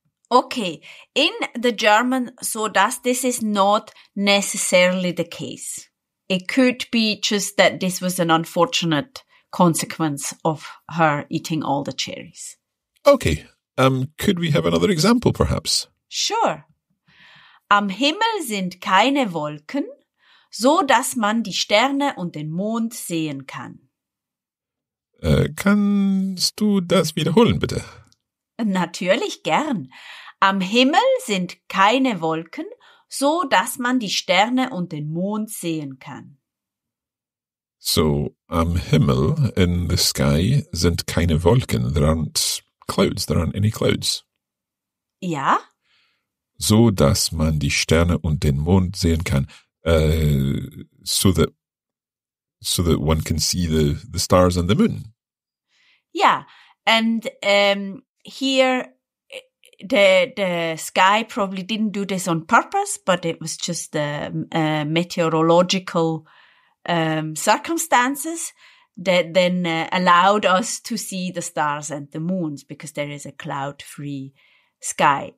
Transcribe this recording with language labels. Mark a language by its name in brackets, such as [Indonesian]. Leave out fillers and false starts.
[English] Okay. In the German so das, this is not necessarily the case. It could be just that this was an unfortunate consequence of her eating all the cherries. Okay. Could we have another example, perhaps? Sure. [German] Am Himmel sind keine Wolken, so dass man die Sterne und den Mond sehen kann. Kannst du das wiederholen, bitte? Natürlich gern. Am Himmel sind keine Wolken, so dass man die Sterne und den Mond sehen kann. So, am Himmel, [English] in the sky, [German] sind keine Wolken. [English] There aren't clouds. There aren't any clouds. [German] Ja. So, dass man die Sterne und den Mond sehen kann. [English] So that one can see the stars and the moon. Ja. And here... The sky probably didn't do this on purpose, but it was just the meteorological circumstances that then allowed us to see the stars and the moons because there is a cloud-free sky.